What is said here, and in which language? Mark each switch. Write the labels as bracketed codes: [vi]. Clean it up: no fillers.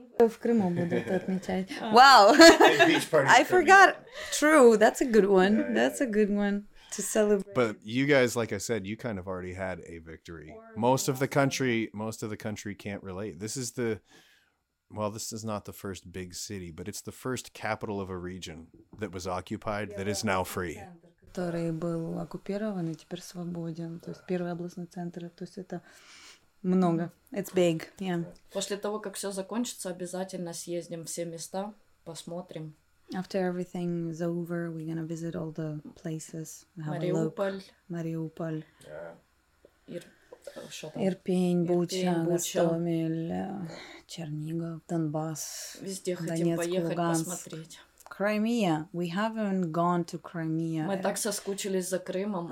[en] Wow. I forgot. True, that's a good one. to celebrate. But you guys, like I said, you kind of already had a victory. Most of the country can't relate. This is not the first big city, but it's the first capital of a region that was occupied that is now free. [ru] Который был оккупирован и теперь свободен. То есть первый областный центр. То есть это много. [en] It's big. Yeah. [ru] После того, как все закончится, обязательно съездим все места, посмотрим. [en] After everything is over, we're gonna visit all the places. [ru] Мариуполь. [en] Yeah. [ru] Ирпень, Буча, Гостомель, Чернигов, Донбасс. Везде хотим поехать, Луганск. Посмотреть. [en] Crimea. We haven't gone to Crimea. [ru] Мы так соскучились за Крымом.